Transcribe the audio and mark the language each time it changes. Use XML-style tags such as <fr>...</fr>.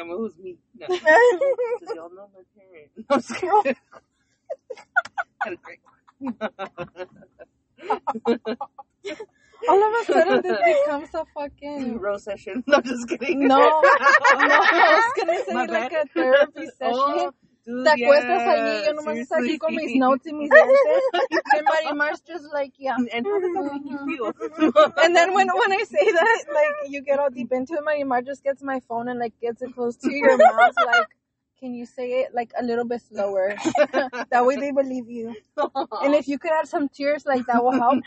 <en>I'm like, who's me? No. Y'all know my parents. I'm scared. All of a sudden this becomes a fucking row session. No, I'm just kidding. No, no, I was gonna say my like bad. A therapy session.</en> <es>Te acuestas allí, yo nomás estoy aquí con mis notes y mis dientes.</es> <en>And Marimar's just like, yeah. And how does that make you feel? And then when I say that, like, you get all deep into it, Marimar just gets my phone and like gets it close to your mouth, like, can you say it like a little bit slower? That way they believe you. Aww. And if you could add some tears, like that will help.</en>